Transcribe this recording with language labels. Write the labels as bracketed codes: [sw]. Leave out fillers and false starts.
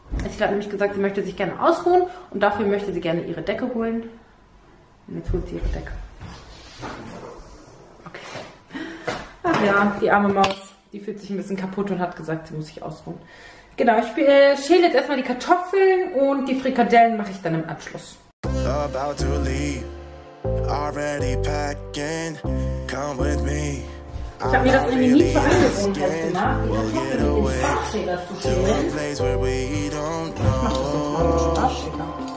[de] Sie hat nämlich gesagt, sie möchte sich gerne ausruhen. Und dafür möchte sie gerne ihre Decke holen. Und jetzt holt sie ihre Decke. Okay. Ach ja, die arme Maus, die fühlt sich ein bisschen kaputt und hat gesagt, sie muss sich ausruhen. Genau, ich schäle jetzt erstmal die Kartoffeln und die Frikadellen mache ich dann im Anschluss. [en] About to leave, already packing, come with me. [de] Ich habe mir das irgendwie nie zu angewohnt gemacht, den Sparschäler zu schälen. Ich mache das jetzt mal mit dem Sparschäler.